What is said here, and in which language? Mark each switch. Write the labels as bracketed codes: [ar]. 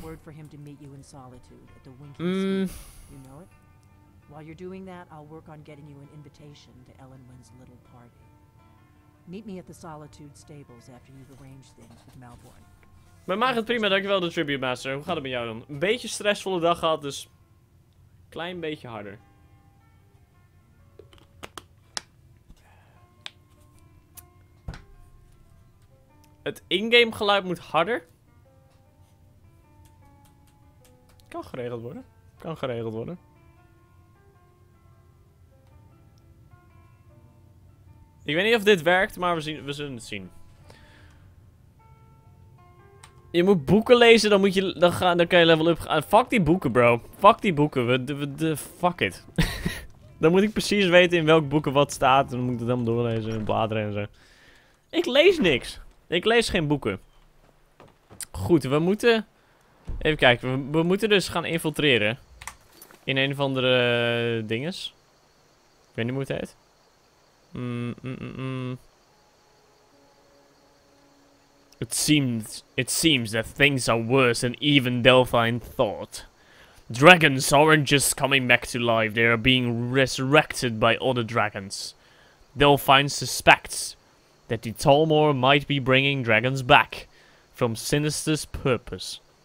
[en] Word for him to meet you in solitude at the Winter. You know it? While you're doing that, I'll work on getting you an invitation to Elenwen's little party. Meet me at the Solitude Stables after you've arranged things with Malborn. [nl] Maar maakt het prima, dankjewel de Tribute Master. Hoe gaat het met jou dan? Een beetje stressvolle dag gehad, dus... Klein beetje harder. Het in-game geluid moet harder. Kan geregeld worden. Kan geregeld worden. Ik weet niet of dit werkt, maar we zullen het zien. Je moet boeken lezen, dan kan je level up gaan. Fuck die boeken, bro. Fuck die boeken. [en] Fuck it. [nl] Dan moet ik precies weten in welk boeken wat staat. Dan moet ik het helemaal doorlezen en bladeren en zo. Ik lees niks. Ik lees geen boeken. Goed, we moeten... Even kijken. We moeten dus gaan infiltreren. In een of andere dinges. Ik weet niet hoe het heet. [en] It seems that things are worse than even Delphine thought. Dragons aren't just coming back to life, they are being resurrected by other dragons. Delphine suspects that the Thalmor might be bringing dragons back from Sinister's purpose.